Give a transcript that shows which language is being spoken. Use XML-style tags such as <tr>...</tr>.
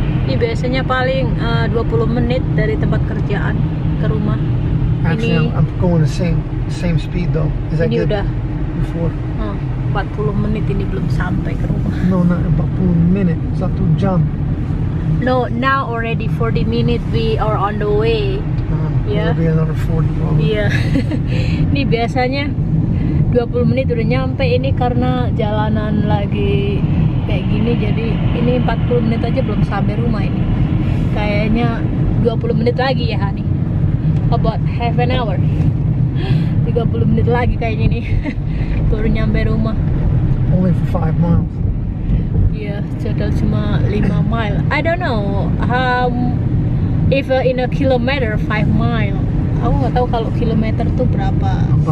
<id>Ini biasanya paling 20 menit dari tempat kerjaan ke rumah.</id> <en>Actually, I'm going the same speed though. Is that</en> <id>ini</id> <en>good?</en> <id>Udah.</id> <en>Before.</en> <id>40 menit ini belum sampai ke rumah.</id> <en>No, not 40</en> <id>menit, 1 jam.</id> <en>No, now already 40 minutes we are on the way. Yeah. Maybe another 40 probably. Yeah.</en> <id>Ini biasanya 20 menit udah nyampe ini karena jalanan lagi kayak gini jadi ini 40 menit aja belum sampai rumah ini. Kayaknya 20 menit lagi ya, Hani.</id> <en>About half an hour.</en> <id>30 menit lagi kayaknya nih baru nyampe rumah.</id> <en>Only for 5 miles.</en> <id>Yeah, total cuma 5 mile.</id> <en>I don't know if in a kilometer 5 mile.</en> <id>Aku nggak tahu kalau kilometer tuh berapa.</id>